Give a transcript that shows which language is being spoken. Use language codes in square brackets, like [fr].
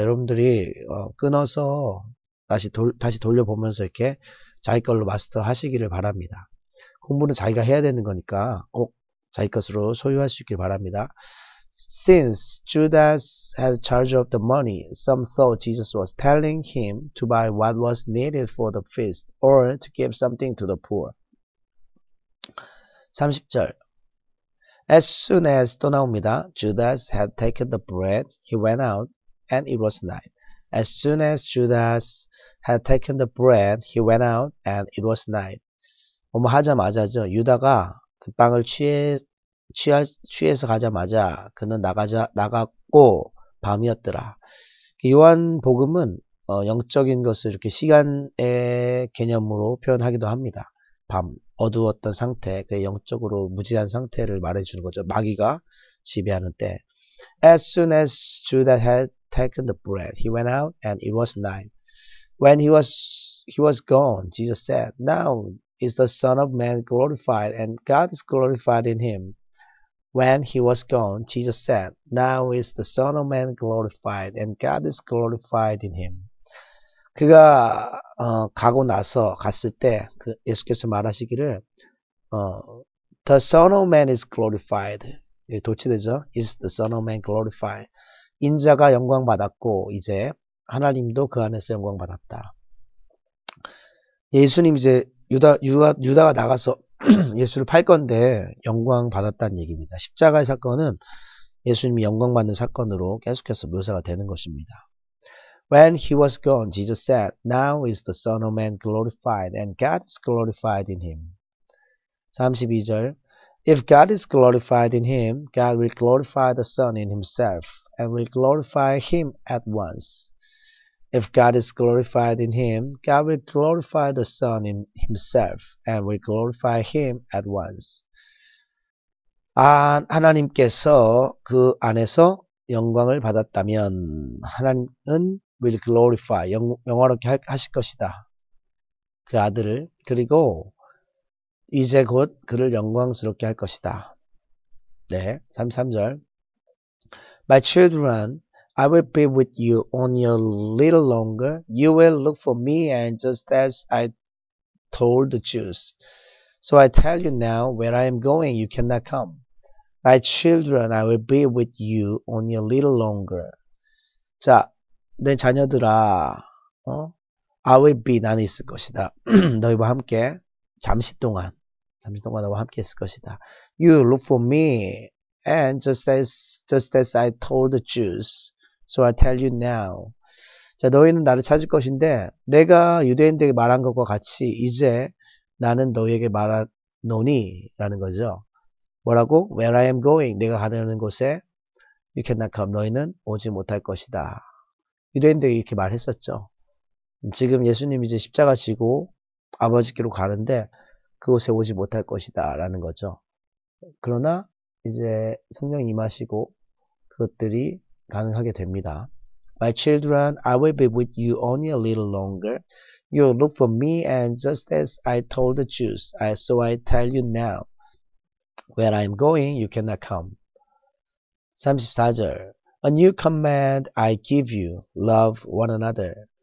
[ko] 여러분들이, 끊어서, 다시 돌려보면서 이렇게, 자기 걸로 마스터 하시기를 바랍니다. 공부는 자기가 해야 되는 거니까 꼭 자기 것으로 소유할 수 있길 바랍니다. [en] Since Judas had charge of the money, some thought Jesus was telling him to buy what was needed for the feast or to give something to the poor. [ko] 30절. [en] As soon as [ko] 또 나옵니다. [en] Judas had taken the bread, he went out and it was night. As soon as Judas had taken the bread, he went out and it was night. [ko] 뭐 하자마자죠. 유다가 그 빵을 취해서 가자마자 그는 나갔고 밤이었더라. 요한 복음은 영적인 것을 이렇게 시간의 개념으로 표현하기도 합니다. 밤 어두웠던 상태, 그 영적으로 무지한 상태를 말해주는 거죠. 마귀가 지배하는 때. [en] As soon as Judas had taken the bread, he went out and it was night. When he was gone, Jesus said, Now is the Son of Man glorified, and God is glorified in him. When he was gone, Jesus said, Now is the Son of Man glorified, and God is glorified in him. [ko] 그가 가고 나서 갔을 때그 예수께서 말하시기를 [en] The Son of Man is glorified. [ko] 예, 도치되죠? [en] Is the Son of Man glorified? [ko] 인자가 영광 받았고 이제 하나님도 그 안에서 영광 받았다. 예수님 이제 유다가 나가서 예수를 팔 건데 영광 받았다는 얘기입니다. 십자가의 사건은 예수님이 영광 받는 사건으로 계속해서 묘사가 되는 것입니다. [en] When he was gone, Jesus said, Now is the Son of Man glorified, and God is glorified in him. [ko] 32절. [en] If God is glorified in him, God will glorify the Son in himself, and will glorify him at once. If God is glorified in him, God will glorify the Son in himself, and will glorify him at once. [ko] 하나님께서 그 안에서 영광을 받았다면, 하나님은 [en] will glorify, [ko] 영화롭게 하실 것이다. 그 아들을. 그리고, 이제 곧 그를 영광스럽게 할 것이다. 네, 33절. [en] My children, I will be with you only a little longer. You will look for me and just as I told the Jews. So I tell you now, where I am going, you cannot come. My children, I will be with you only a little longer. [ko] 자, 내 자녀들아, [en] I will be, [ko] 나는 있을 것이다. 너희와 함께, 잠시 동안 나와 함께 있을 것이다. [en] You look for me, and just as I told the Jews, so I tell you now. [ko] 자, 너희는 나를 찾을 것인데, 내가 유대인들에게 말한 것과 같이 이제 나는 너희에게 말하노니라는 거죠. 뭐라고? [en] Where I am going, [ko] 내가 가려는 곳에 [en] you cannot come, [ko] 너희는 오지 못할 것이다. 유대인들에게 이렇게 말했었죠. 지금 예수님이 이제 십자가 지고 아버지께로 가는데. 그곳에 오지 못할 것이다 라는 거죠. 그러나 이제 성령이 임하시고 그것들이 가능하게 됩니다. [en] My children, I will be with you only a little longer. You look for me and just as I told the Jews, so I tell you now. Where I am going, you cannot come. 34절. A new command I give you. Love one another.